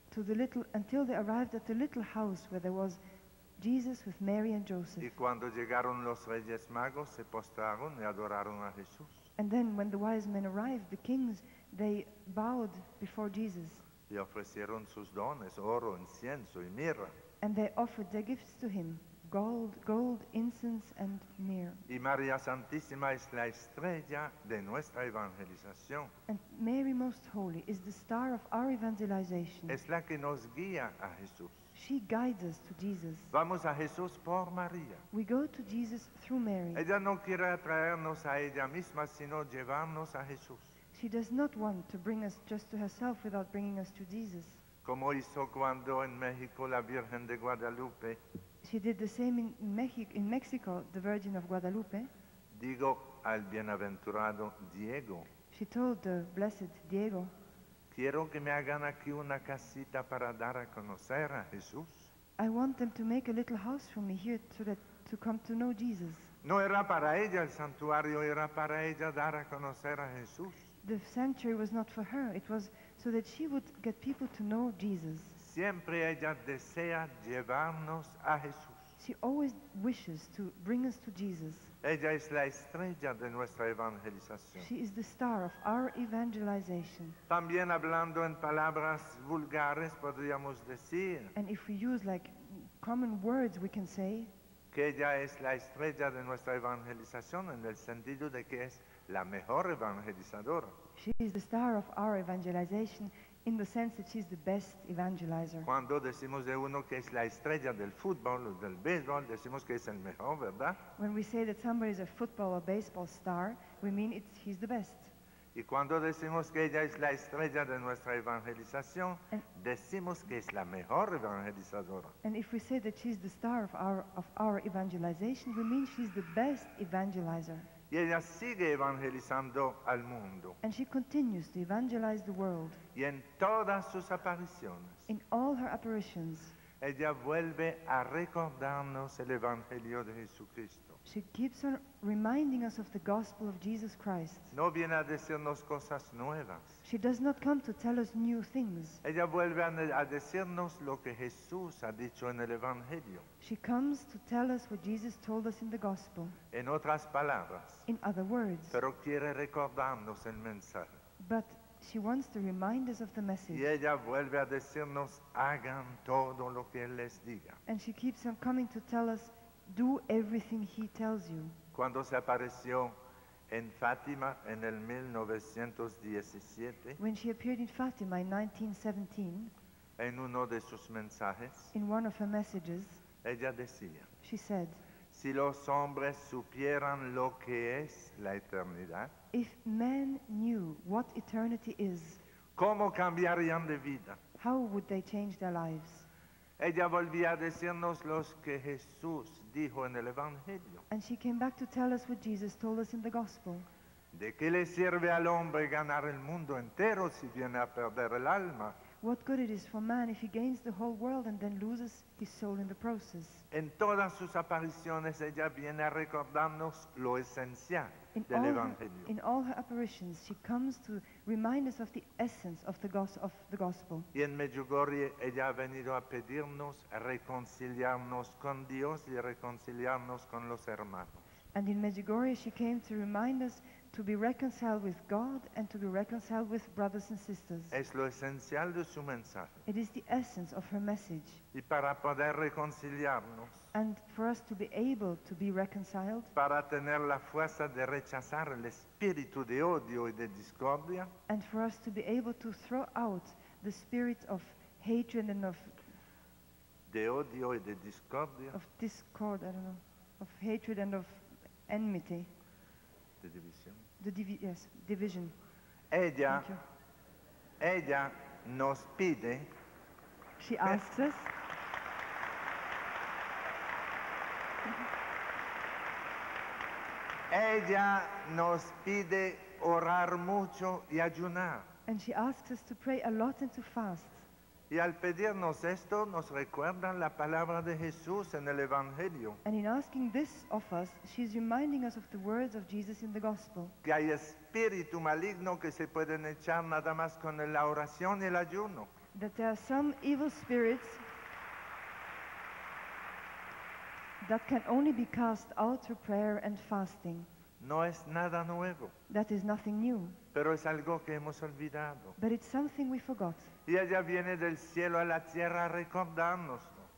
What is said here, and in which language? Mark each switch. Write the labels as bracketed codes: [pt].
[en] Until they arrived at the little house where there was Jesus with Mary and Joseph. [es] Y cuando llegaron los Reyes Magos, se postraron y adoraron a Jesús. [en] And then when the wise men arrived, the kings, they bowed before Jesus. [es] Y ofrecieron sus dones, oro, incienso y mirra. [en] And they offered their gifts to him, gold, incense, and myrrh. [es] Y María Santísima es la estrella de nuestra evangelización. [en] And Mary Most Holy is the star of our evangelization. [es] Es la que nos guía a Jesús. [en] She guides us to Jesus. [es] Vamos a Jesús por María. [en] We go to Jesus through Mary. [es] Ella no quiere atraernos a ella misma, sino llevarnos a Jesús. [en] She does not want to bring us just to herself without bringing us to Jesus. [es] Como hizo cuando en México la Virgen de Guadalupe. [en] She did the same in Mexico, the Virgin of Guadalupe. [es] Digo al bienaventurado Diego. [en] She told the blessed Diego. [es] Quiero que me hagan aquí una casita para dar a conocer a Jesús. [en] I want them to make a little house for me here to come to know Jesus. [es] No era para ella el santuario, era para ella dar a conocer a Jesús. [en] The sanctuary was not for her, it was so that she would get people to know Jesus. [es] Siempre ella desea llevarnos a Jesús. [en] She always wishes to bring us to Jesus. [es] Ella es la estrella de nuestra evangelización. [en] She is the star of our evangelization. [es] También hablando en palabras vulgares, podríamos decir. [en] And if we use like common words, we can say. [es] Que ella es la estrella de nuestra evangelización en el sentido de que es la mejor evangelizadora. [en] She is the star of our evangelization in the sense that she's the best evangelizer. [es] Cuando decimos de uno que es la estrella del fútbol o del béisbol, decimos que es el mejor, ¿verdad? [en] When we say that somebody is a football or baseball star, we mean he's the best. [es] Y cuando decimos que ella es la estrella de nuestra evangelización, decimos que es la mejor evangelizadora. [en] And if we say that she's the star of our evangelization, we mean she's the best evangelizer. [es] Y ella sigue evangelizando al mundo. [en] And she continues to evangelize the world. [es] Y en todas sus apariciones. [en] In all her apparitions. [es] Ella vuelve a recordarnos el Evangelio de Jesucristo. [en] She keeps on reminding us of the gospel of Jesus Christ. [es] No viene a decirnos cosas nuevas. [en] She does not come to tell us new things. [es] Ella vuelve a decirnos lo que Jesús ha dicho en el Evangelio. [en] She comes to tell us what Jesus told us in the gospel. [es] En otras palabras. [en] In other words. [es] Pero quiere recordarnos el mensaje. [en] But she wants to remind us of the message. [es] Y ella vuelve a decirnos, hagan todo lo que él les diga. [en] And she keeps on coming to tell us, do everything he tells you. [es] Cuando se apareció en Fátima en el 1917. [en] When she appeared in Fátima in 1917. [es] En uno de sus mensajes. [en] In one of her messages. [es] Ella decía. [en] She said. [es] Si los hombres supieran lo que es la eternidad. [en] If men knew what eternity is. [es] ¿Cómo cambiarían de vida? [en] How would they change their lives? [es] Ella volvía a decirnos lo que Jesús dijo en el Evangelio. [en] And she came back to tell us what Jesus told us in the gospel. [es] ¿De qué le sirve al hombre ganar el mundo entero si viene a perder el alma? [en] What good it is for man if he gains the whole world and then loses his soul in the process? [es] En todas sus apariciones ella viene a recordarnos lo esencial del Evangelio. [en] In all her apparitions she comes to remind us of the essence of the gospel. [es] Y en Medjugorje ella ha venido a pedirnos reconciliarnos con Dios y reconciliarnos con los hermanos. [en] And in Medjugorje she came to remind us to be reconciled with God and to be reconciled with brothers and sisters. [es] Es lo esencial de su mensaje. [en] It is the essence of her message. [es] Y para poder reconciliarnos, [en] and for us to be able to be reconciled, [es] para tener la fuerza de rechazar el espíritu de odio y de discordia, [en] and for us to be able to throw out the spirit of hatred and of [es] de odio y de discordia, [en] of discord, I don't know, of hatred and of enmity. Division. [es] Ella nos pide. [en] She asks us. [es] Ella nos pide orar mucho y ayunar. [en] And she asks us to pray a lot and to fast. [es] Y al pedirnos esto, nos recuerda la palabra de Jesús en el Evangelio. [en] And in asking this of us, she is reminding us of the words of Jesus in the gospel. [es] Que hay espíritu maligno que se pueden echar nada más con la oración y el ayuno. [en] That there are some evil spirits that can only be cast out through prayer and fasting. [es] No es nada nuevo. [en] That is nothing new. [es] Pero es algo que hemos olvidado. [en] But it's something we forgot. [es] Y ella viene del cielo a la tierra a recordárnoslo.